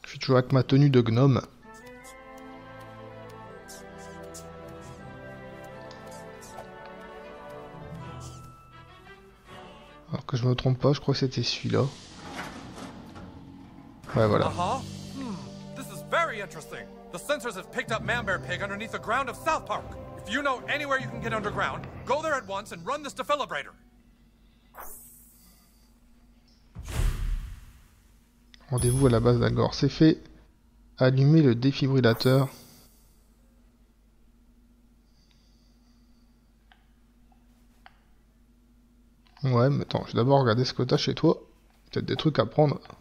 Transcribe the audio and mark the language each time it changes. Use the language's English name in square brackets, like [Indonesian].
[French] Avec ma tenue de gnome. Alors que je me trompe pas, je crois que c'était celui-là. Ouais, voilà. [English] This is very interesting. The sensors have picked up Manbear Pig underneath the ground of South Park. If you know anywhere you can get underground, go there at once and run this defilibrator. [French] Rendez-vous à la base d'Al Gore, c'est fait. Allumer le défibrillateur. Ouais, mais attends, je vais d'abord regarder ce que t'as chez toi. Peut-être des trucs à prendre.